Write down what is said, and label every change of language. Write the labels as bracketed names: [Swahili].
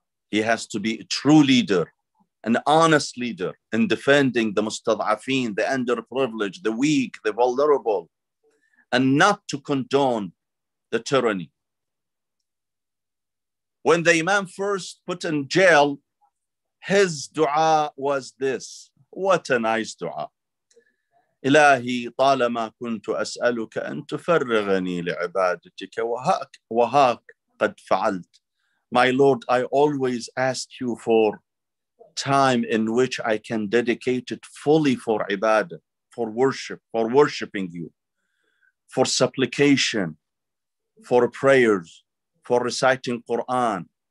[English] He has to be a true leader, an honest leader in defending the mustadhafin, the underprivileged, the weak, the vulnerable, and not to condone the tyranny. When the Imam first put in jail, his dua was this. What a nice dua. [Arabic] إلهي طالما كنت أسألك أن تفرغني لعبادتك وهاك قد فعلت. [English] My Lord, I always ask you for time in which I can dedicate it fully for ibadah, for worship, for worshiping you, for supplication, for prayers, for reciting Quran.